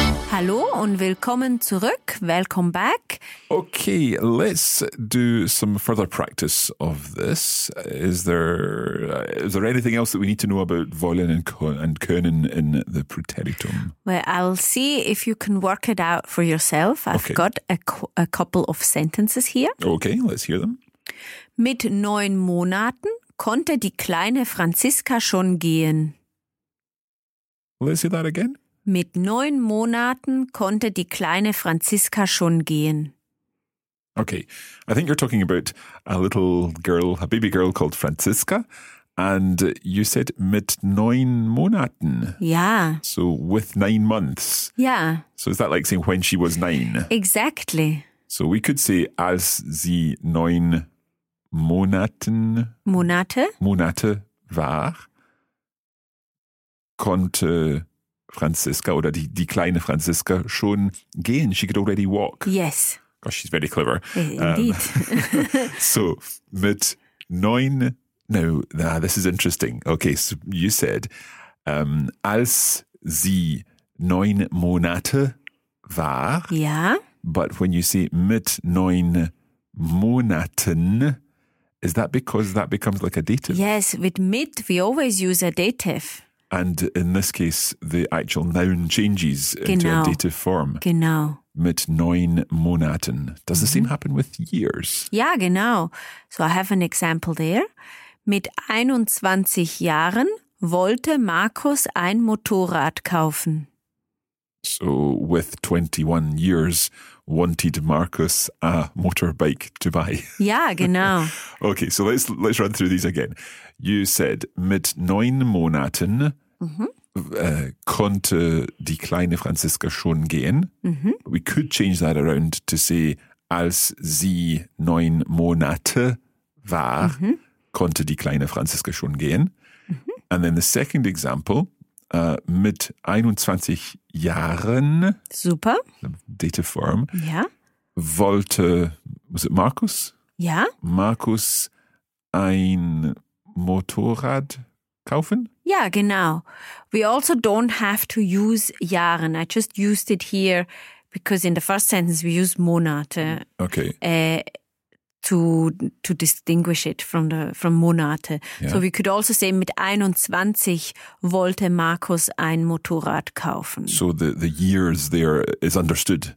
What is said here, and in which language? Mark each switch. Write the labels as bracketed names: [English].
[German] Hallo und willkommen zurück. [English] Welcome back. Okay, let's do some further practice of this. Is there anything else that we need to know about wollen and können in the preteritum? Well, I'll see if you can work it out for yourself. I've got a couple of sentences here. Okay, let's hear them. [German] Mit 9 Monaten konnte die kleine Franziska schon gehen. [English] Let's hear that again. [German] Mit 9 Monaten konnte die kleine Franziska schon gehen. [English] Okay, I think you're talking about a little girl, a baby girl called Franziska. And you said [German] mit 9 Monaten. [English] Yeah. So with 9 months. Yeah. So is that like saying when she was 9? Exactly. So we could say [German] als sie 9 Monaten. Monate war, konnte Franziska oder die kleine Franziska schon gehen. [English] She could already walk. Yes. Gosh, she's very clever. Indeed. So, mit 9. This is interesting. Okay, so you said, [German] als sie 9 Monate war. [English] Yeah. But when you say [German] mit 9 Monaten, [English] is that because that becomes like a dative? Yes, with mit, we always use a dative. And in this case, the actual noun changes into a dative form. [German] Genau. Mit 9 Monaten. [English] Does the same happen with years? [German] Ja, genau. [English] So I have an example there. [German] Mit 21 Jahren wollte Markus ein Motorrad kaufen. [English] So with 21 years wanted Markus a motorbike to buy. [German] Ja, genau. [English] Okay, so let's run through these again. You said [German] mit 9 Monaten konnte die kleine Franziska schon gehen. [English] Mm-hmm. We could change that around to say [German] als sie 9 Monate war, konnte die kleine Franziska schon gehen. [English] Mm-hmm. And then the second example, [German] mit 21 Jahren. [English] Super. Dative form. [German] Ja. [English] Wollte, was it Markus? [German] Ja. Markus ein Motorrad kaufen? Ja, genau. [English] We also don't have to use Jahren. I just used it here because in the first sentence we use Monate. Okay. To distinguish it from Monate. Yeah. So we could also say [German] mit 21 wollte Markus ein Motorrad kaufen. [English] So the years there is understood.